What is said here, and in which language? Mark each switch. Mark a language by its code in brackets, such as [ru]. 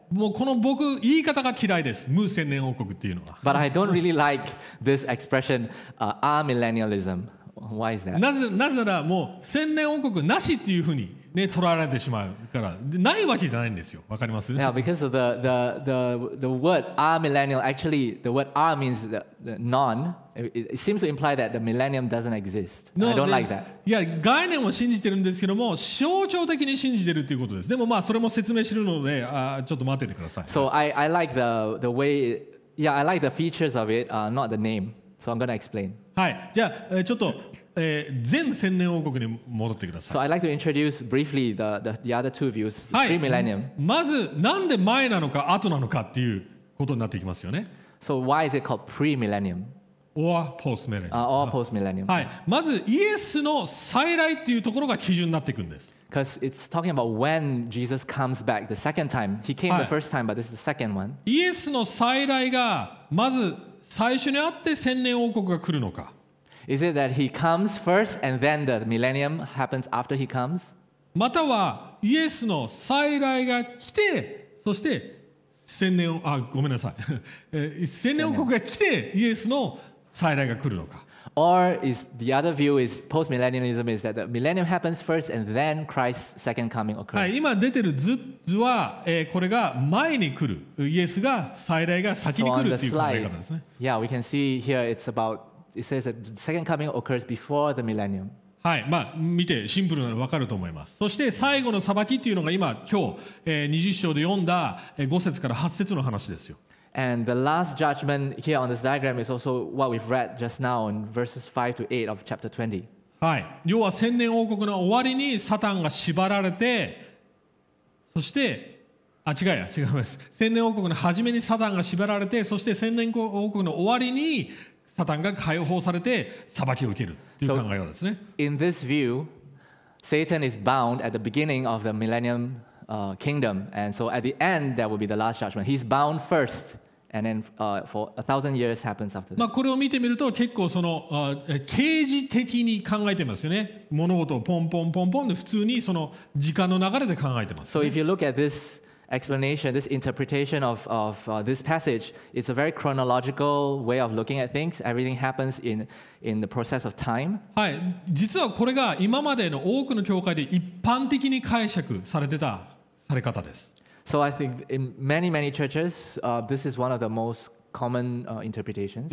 [ja] もうこの僕、言い方が嫌いです。無千年王国っていうのは。 [en] But I don't really like this expression, amillennialism. Why is that? [ja] なぜなら、もう千年王国なしっていうふうに。ね、取られてしまうからないわけじゃないんですよ。わかります？ [en] Yeah, because of the word amillennial, actually the word a means the non. It seems to imply that the millennium doesn't exist. No, I don't like that. [ja] いや、概念を信じてるんですけども、象徴的に信じてるということです。でもまあそれも説明するので、ちょっと待っててください。 [en] So I like the way, yeah, I like the features of it, not the name. So I'm gonna explain. [ja] はい、じゃあ、ちょっと。全千年王国に戻ってください。 [en] So I'd like to introduce briefly the other two views, the pre-millennium. [ja] まずなんで前なのか後なのかっていうことになっていきますよね。 [en] So why is it called pre-millennium? Or post-millennium. Or post-millennium. [ja] はい。まずイエスの再来っていうところが基準になっていくんです。 [en] Because it's talking about when Jesus comes back the second time. He came the first time, but this is the second one. [ja] イエスの再来がまず最初にあって千年王国が来るのか。 [en] Is it that he comes first and then the millennium happens after he comes? [ja] またはイエスの再来が来て、そして千年王、ごめんなさい。千年王国が来てイエスの再来が来るのか。 [en] Or is the other view is post-millennialism is that the millennium happens first and then Christ's second coming occurs? [ja] はい、今出てる図は、これが前に来る。イエスが再来が先に来るっていう考え方ですね。 [en] So on the slide, yeah, we can see here it's about. It says that the second coming occurs before the millennium. [ja] はい、まあ見てシンプルなのわかると思います。そして最後の裁きっていうのが今日、20章で読んだ5節から8節の話ですよ。 [en] And the last judgment here on this diagram is also what we've read just now in verses 5 to 8 of chapter 20. [ja] はい、要は千年王国の終わりにサタンが縛られて、そして違います。千年王国の初めにサタンが縛られて、そして千年王国の終わりにサタンが解放されて裁きを受けるという考えようですね。 [en] So, in this view, Satan is bound at the beginning of the millennium, kingdom, and so at the end there will be the last judgment. He's bound first, and then, for 1,000 years happens after. [ja] まあこれを見てみると結構その、刑事的に考えてますよね。物事をポンポンポンポンで普通にその時間の流れで考えてます、ね。 [en] So if you look at this explanation, this interpretation of this passage, it's a very chronological way of looking at things. Everything happens in the process of time. [ja] はい、実はこれが今までの多くの教会で一般的に解釈されてたされ方です。 [en] So I think in many, many churches, this is one of the most common interpretations.